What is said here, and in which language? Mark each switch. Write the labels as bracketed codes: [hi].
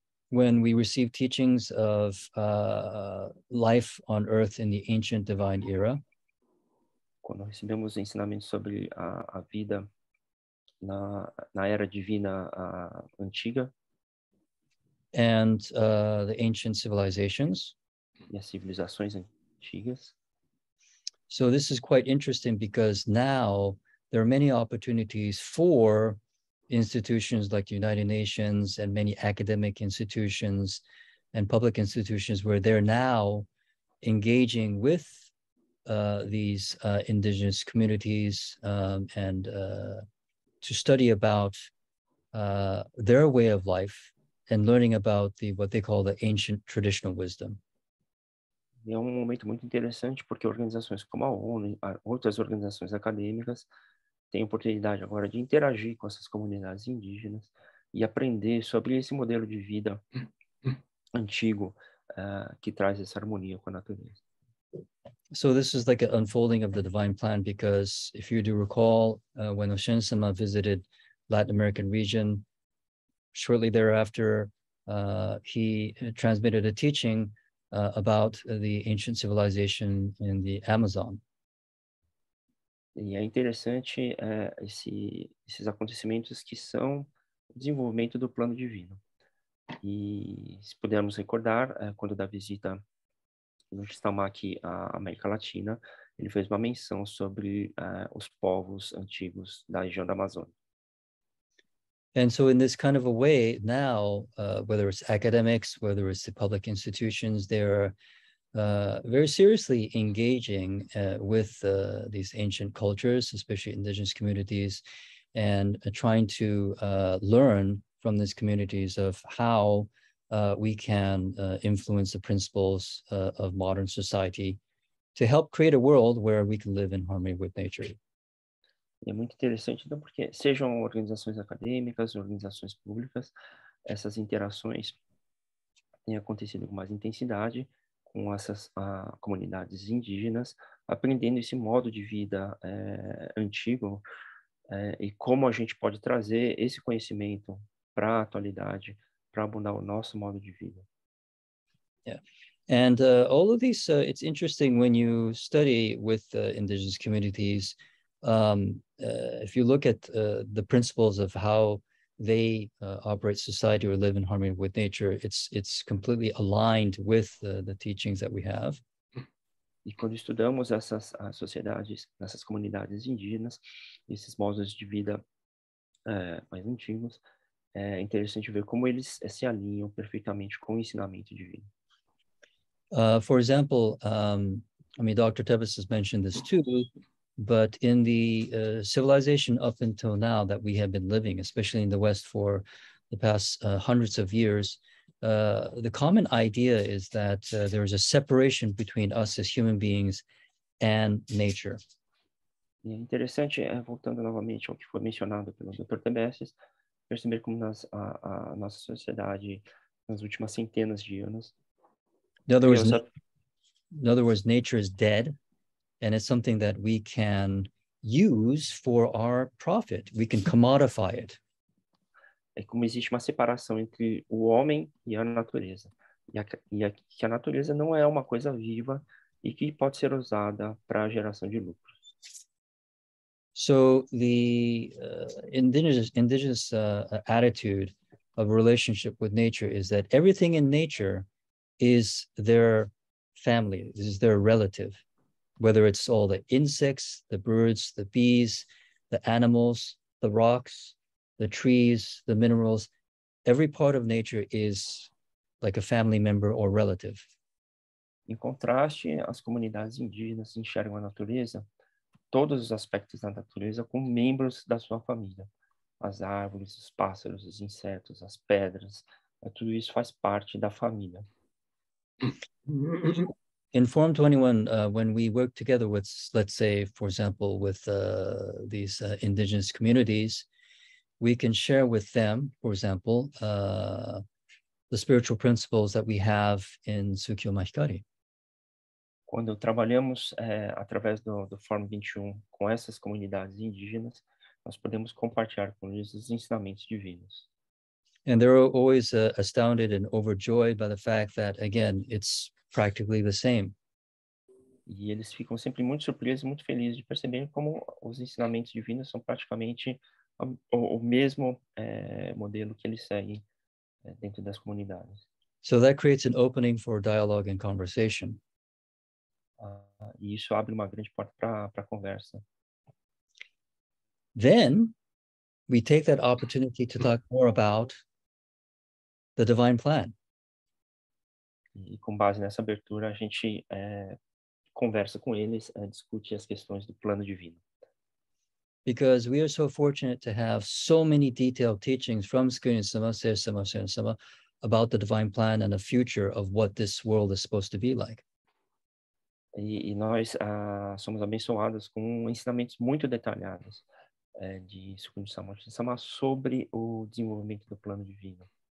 [en] When we receive teachings of life on earth in the ancient divine era, [pt] quando recebemos ensinamentos sobre a vida na era divina antiga, [en] and the ancient civilizations, [pt] e as civilizações antigas. [en] So this is quite interesting because now there are many opportunities for institutions like the United Nations and many academic institutions and public institutions where they're now engaging with these indigenous communities and to study about their way of life and learning about the what they call the ancient traditional wisdom. [pt] É momento muito interessante porque organizações como a ONU, outras organizações acadêmicas, tem oportunidade agora de interagir com essas comunidades indígenas e aprender sobre esse modelo de vida antigo que traz essa harmonia com a natureza. [en] So this is like an unfolding of the divine plan, because if you do recall, when Oshinsama visited Latin American region, shortly thereafter, he transmitted a teaching about the ancient civilization in the Amazon. [pt] E é interessante esses acontecimentos que são o desenvolvimento do plano divino. E se pudermos recordar, quando da visita no Stalmach à América Latina, ele fez uma menção sobre os povos antigos da região da Amazônia. [en] And so in this kind of a way, now, whether it's academics, whether it's the public institutions, they're very seriously engaging with these ancient cultures, especially indigenous communities, and trying to learn from these communities of how we can influence the principles of modern society to help create a world where we can live in harmony with nature. [pt] É muito interessante, então, porque sejam organizações acadêmicas, organizações públicas, essas interações têm acontecido com mais intensidade com essas comunidades indígenas, aprendendo esse modo de vida antigo e como a gente pode trazer esse conhecimento para a atualidade, para abundar o nosso modo de vida. [en] Yeah. And all of these, it's interesting when you study with indigenous communities. If you look at the principles of how they operate society or live in harmony with nature, it's completely aligned with the teachings that we have. [pt] E quando estudamos essas sociedades, essas comunidades indígenas, esses modos de vida mais antigos, é interessante ver como eles se alinham perfeitamente com o ensinamento divino. [en] For example, I mean, Dr. Tebecis has mentioned this too, but in the civilization up until now that we have been living, especially in the West for the past hundreds of years, the common idea is that there is a separation between us as human beings and nature. [pt] É interessante, voltando novamente ao que foi mencionado pelo Dr. Tebecis, perceber como a nossa sociedade nas últimas centenas de anos. [en] In other words, nature is dead. And it's something that we can use for our profit. We can commodify it. [pt] É como existe uma separação entre o homem e a natureza. Que a natureza não é uma coisa viva e que pode ser usada para a geração de lucro. [en] So the indigenous attitude of relationship with nature is that everything in nature is their family, is their relative. Whether it's all the insects, the birds, the bees, the animals, the rocks, the trees, the minerals, every part of nature is like a family member or relative. [pt] Em contraste, as comunidades indígenas enxergam a natureza, todos os aspectos da natureza, como membros da sua família. As árvores, os pássaros, os insetos, as pedras, tudo isso faz parte da família. [en] In Forum 21, when we work together with, let's say, for example, with these indigenous communities, we can share with them, for example, the spiritual principles that we have in Sukyo Mahikari. [pt] Quando trabalhamos através do Forum 21 com essas comunidades indígenas, nós podemos compartilhar com eles os ensinamentos divinos. [en] And they're always astounded and overjoyed by the fact that, again, it's practically the same. [pt] E eles ficam sempre muito surpresos, muito felizes de perceber como os ensinamentos divinos são praticamente o mesmo modelo que eles seguem dentro das comunidades. [en] So that creates an opening for dialogue and conversation. [pt] E isso abre uma grande porta para conversa. [en] Then we take that opportunity to talk more about the divine plan. [pt] E com base nessa abertura, a gente conversa com eles, discute as questões do plano divino. [en] Because we are so fortunate to have so many detailed teachings from Skunyusama about the divine plan and the future of what this world is supposed to be like. [pt] E nós somos abençoados com ensinamentos muito detalhados de Skunyusama sobre o desenvolvimento do plano divino.